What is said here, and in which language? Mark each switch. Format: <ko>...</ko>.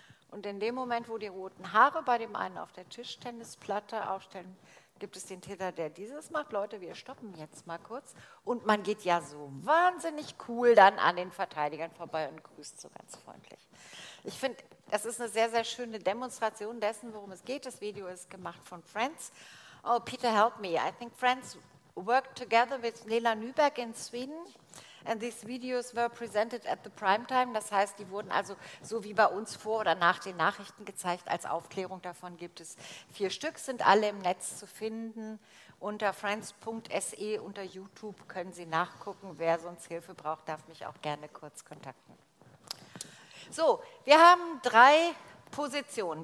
<de>Und in dem Moment, wo die roten Haare bei dem einen auf der Tischtennisplatte aufstellen, gibt es den Täter, der dieses macht. Leute, wir stoppen jetzt mal kurz. Und man geht ja so wahnsinnig cool dann an den Verteidigern vorbei und grüßt so ganz freundlich. Ich finde, das ist eine sehr, sehr schöne Demonstration dessen, worum es geht. Das Video ist gemacht von Friends.</de> <en>Oh, Peter, help me. I think Friends worked together with Lena Nyberg in Sweden. And these videos were presented at the primetime.</en> <de>Das heißt, die wurden also so wie bei uns vor oder nach den Nachrichten gezeigt. Als Aufklärung davon gibt es 4 Stück, sind alle im Netz zu finden. Unter friends.se, unter YouTube können Sie nachgucken. Wer sonst Hilfe braucht, darf mich auch gerne kurz kontaktieren. So, wir haben 3 Positionen.</de>